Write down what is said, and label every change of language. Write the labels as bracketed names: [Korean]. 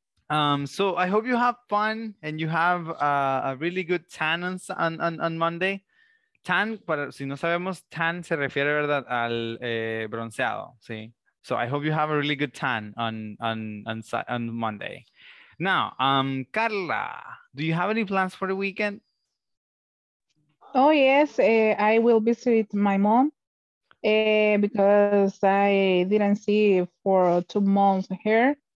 [English] So I hope you have fun and you have a really good tan on Monday. [Spanish] Tan, para, si no sabemos, tan se refiere, verdad, al bronceado, ¿sí? [English] So I hope you have a really good tan on Monday. Now, Carla, do you have any plans for the weekend? Oh, yes. I will visit my mom because I didn't see for 2 months here.